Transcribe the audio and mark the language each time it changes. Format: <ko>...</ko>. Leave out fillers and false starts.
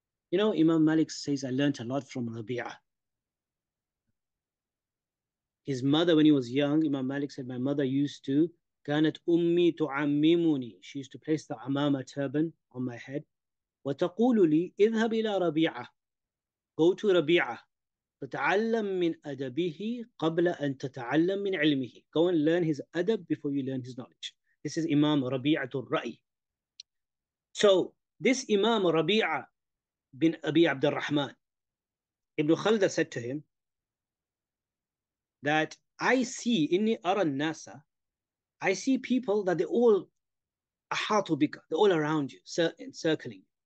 <en>You know, Imam Malik says, I learned a lot from Rabi'a. His mother, when he was young, Imam Malik said, my mother used to,</en> <ar>كانت أمي تعممني.</ar> <en>She used to place the Amama turban on my head.</en> <ar>وتقول لي اذهب إلى ربيعة.</ar> <en>Go to Rabi'a.</en> <ar>فتعلم من أدبه قبل أن تتعلم من علمه.</ar> <en>Go and learn his adab before you learn his knowledge. This is Imam Rabi'a al-Ra'i. So this Imam Rabi'a bin Abi Abd al-Rahman, Ibn Khaldah said to him that I see,</en> <ar>إني أرى الناس,</ar> <en>I see people that they're all</en> <ar>ahatu bika,</ar> <en>they're all around you, encircling.</en>